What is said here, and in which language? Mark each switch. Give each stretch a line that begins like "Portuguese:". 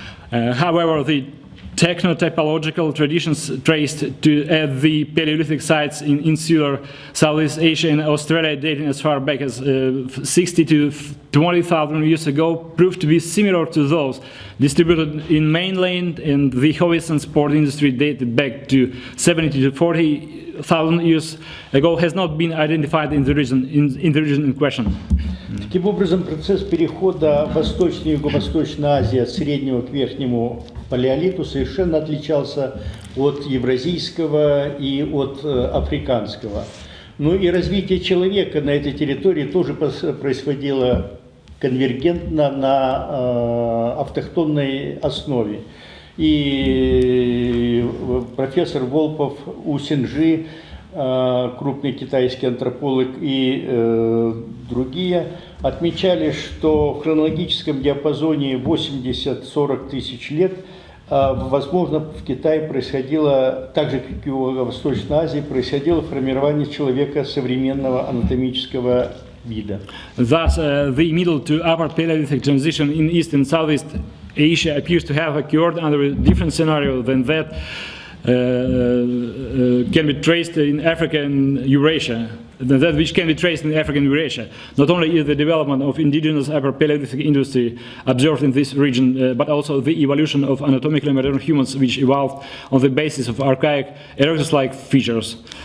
English: However, the techno-typological traditions traced to the Palaeolithic sites in insular Southeast Asia and Australia dating as far back as 60 to 20,000 years ago proved to be similar to those distributed in mainland, and the hobbies and sport industry dated back to 70 to 40,000 years ago has not been identified in the region in question.
Russian: Таким образом, процесс перехода Восточной и Юго-Восточной Азии от Среднего к Верхнему Палеолиту совершенно отличался от евразийского и от африканского. Ну и развитие человека на этой территории тоже происходило конвергентно на автохтонной основе. И профессор Волпов у Синжи, крупный китайский антрополог, и другие отмечали, что в хронологическом диапазоне 80-40 тысяч лет, возможно, в Китае происходило, так же, как и в Восточной Азии, происходило формирование человека современного анатомического вида.
English: Thus, the middle to upper Paleolithic transition in East and Southeast Asia appears to have occurred under a different scenario than that can be traced in Africa and Eurasia. That which can be traced in Africa and Eurasia. Not only is the development of indigenous Upper Paleolithic industry observed in this region, but also the evolution of anatomically modern humans, which evolved on the basis of archaic erectus-like features.